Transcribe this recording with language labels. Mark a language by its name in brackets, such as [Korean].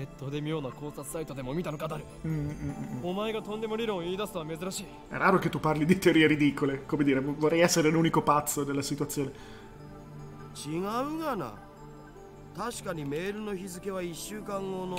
[Japanese] で妙な考察サイトでも見たのかだる。お前がとんでも理論を言い出すとは珍しい。 [Italian] È raro che tu parli di teorie ridicole. Come dire, vorrei essere l'unico pazzo della situazione. [Japanese] 違うがな。確かにメールの日付は1週間後の。